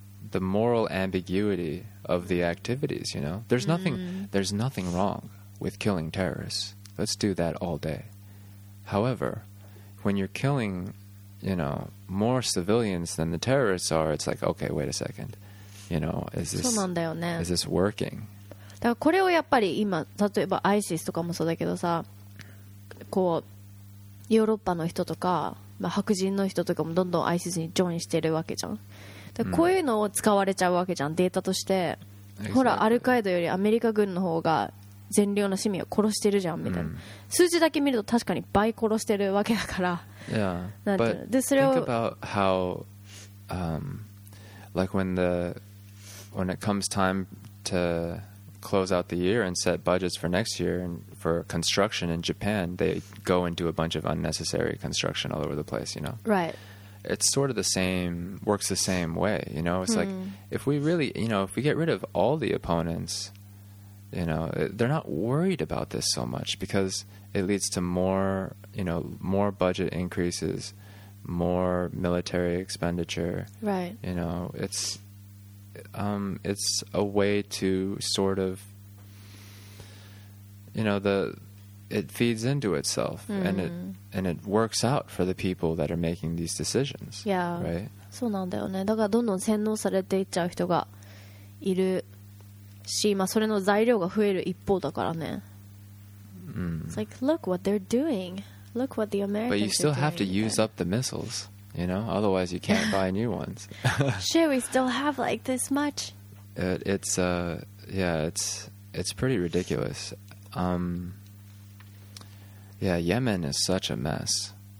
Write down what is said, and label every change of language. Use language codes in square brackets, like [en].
[en] The moral ambiguity of the activities, you know? There's nothing wrong with killing terrorists. Let's do that all day. However, when you're killing, you know, more civilians than the terrorists are, it's like, okay, wait a second. You know, is this working? [ja] だからこれをやっぱり今、例えば ISIS とかもそうだけどさ、こう、ヨーロッパの人とか、まあ、白人の人とかもどんどん ISIS にジョインしてるわけじゃん。でこういうのを使われちゃうわけじゃん、データとして、ほらアルカイドよりアメリカ軍の方が善良な市民を殺してるじゃんみたいな、数字だけ見ると確かに倍殺してるわけだから、 [en] yeah. [ja] なんていうの、でそれを [en] think about how like when it comes time to close out the year and set budgets for next year and for construction in Japan, they go and do a bunch of unnecessary construction all over the place, you know? Right. It's sort of the same, works the same way, you know? It's like, if we really, you know, if we get rid of all the opponents, you know, they're not worried about this so much because it leads to more, you know, more budget increases, more military expenditure. Right. You know, it's a way to sort of, you know, it feeds into itself and it works out for the people that are making these decisions. Yeah. Right? [ja] そうなんだよね。だからどんどん洗脳されていっちゃう人がいるし、まあそれの材料が増える一方だからね。 [en] It's like, look what they're doing. Look what the Americans are doing. But you still have to use up the missiles, you know? Otherwise you can't buy new ones. Sure, we still have like this much. It's pretty ridiculous. Yeah, Yemen is such a mess.